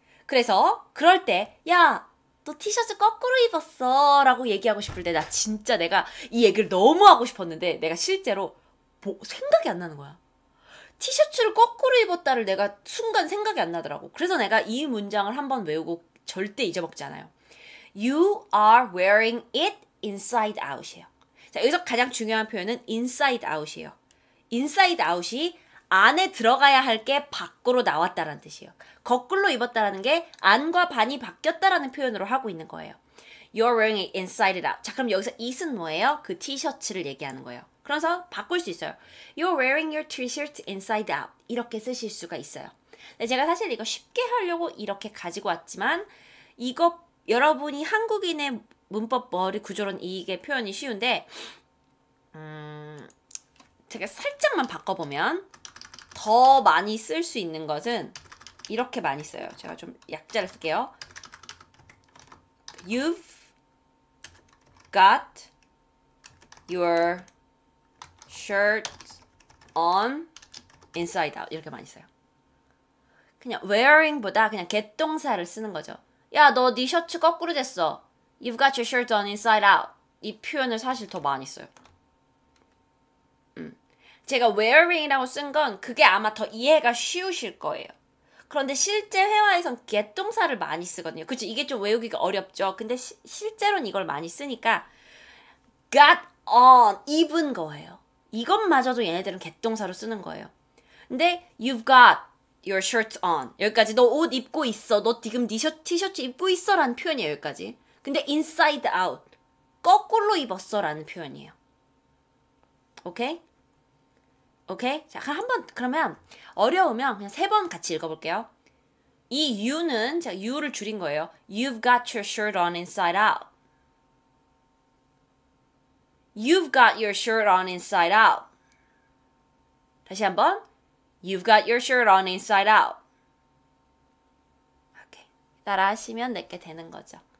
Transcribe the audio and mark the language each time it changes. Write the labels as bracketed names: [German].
[Korean] 그래서 그럴 때, 야, 너 티셔츠 거꾸로 입었어. 라고 얘기하고 싶을 때, 나 진짜 내가 이 얘기를 너무 하고 싶었는데, 내가 실제로 생각이 안 나는 거야. 티셔츠를 거꾸로 입었다를 내가 순간 생각이 안 나더라고. 그래서 내가 이 문장을 한번 외우고 절대 잊어먹지 않아요. [English] You are wearing it inside out이에요. [Korean] 자, 여기서 가장 중요한 표현은 inside out이에요. inside out이 안에 들어가야 할게 밖으로 나왔다라는 뜻이에요. 거꾸로 입었다라는 게 안과 반이 바뀌었다라는 표현으로 하고 있는 거예요. [English] You're wearing it inside it out. [Korean] 자, 그럼 여기서 it은 뭐예요? 그 티셔츠를 얘기하는 거예요. 그래서 바꿀 수 있어요. [English] You're wearing your t-shirt inside out. [Korean] 이렇게 쓰실 수가 있어요. 근데 제가 사실 이거 쉽게 하려고 이렇게 가지고 왔지만, 이거 여러분이 한국인의 문법 머리 구조론 이게 표현이 쉬운데, 제가 살짝만 바꿔보면 더 많이 쓸수 있는 것은 이렇게 많이 써요. 제가 좀 약자를 쓸게요. [English] You've got your shirt on inside out [Korean] 이렇게 많이 써요. 그냥 wearing보다 그냥 get 동사를 쓰는 거죠. 야, 너네 셔츠 거꾸로 됐어. [English] You've got your shirt on inside out. [Korean] 이 표현을 사실 더 많이 써요. 제가 wearing이라고 쓴건 그게 아마 더 이해가 쉬우실 거예요. 그런데 실제 회화에선 get 동사를 많이 쓰거든요. 그치? 이게 좀 외우기가 어렵죠. 근데 실제로는 이걸 많이 쓰니까 got on 입은 거예요. 이것마저도 얘네들은 개동사로 쓰는 거예요. [English] 근데 you've got your shirt on. [Korean] 여기까지 너옷 입고 있어. 너 지금 네 티셔츠 입고 있어라는 표현이에요, 여기까지. [English] 근데 inside out. [Korean] 거꾸로 입었어라는 표현이에요. 오케이? 오케이? 자, 그러면 어려우면 그냥 세번 같이 읽어볼게요. 이 you는 제가 you를 줄인 거예요. [English] You've got your shirt on inside out. You've got your shirt on inside out. [Korean] 다시 한번. [English] You've got your shirt on inside out. [Korean] 따라하시면 내게 되는 거죠.